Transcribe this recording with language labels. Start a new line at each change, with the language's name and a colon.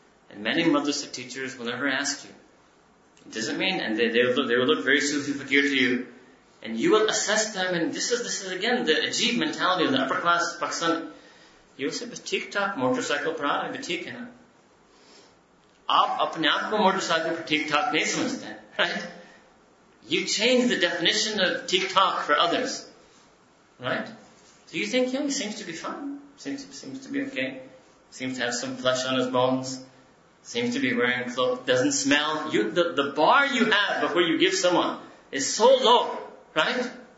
English: And many madrasa teachers will never ask you. It doesn't mean, and they will look very Sufi fakir to you. And you will assess them, and this is again the ajeeb mentality of the upper class of Pakistani. You will say, but TikTok, motorcycle parada, but TikTok.
Urdu: آپ اپنے آپ کو motorcycle پر TikTok نہیں سمجھتے, right?
English: You change the definition of TikTok for others, right? So you think, yeah, he seems to be fine. Seems to be okay. Seems to have some flesh on his bones. Seems to be wearing clothes. Doesn't smell. The bar you have before you give someone is so low, right?